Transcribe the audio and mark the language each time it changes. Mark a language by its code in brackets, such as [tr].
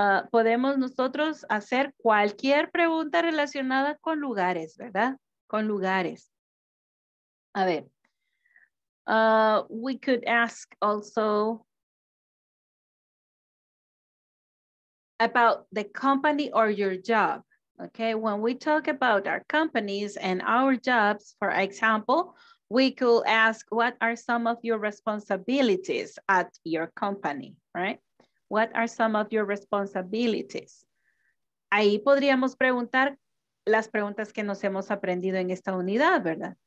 [es] Podemos nosotros hacer cualquier pregunta relacionada con lugares, ¿verdad? Con lugares. [en] A ver, we could ask also about the company or your job. Okay, when we talk about our companies and our jobs, for example, we could ask, what are some of your responsibilities at your company, right? What are some of your responsibilities? [es] Ahí podríamos preguntar las preguntas que nos hemos aprendido en esta unidad, ¿verdad?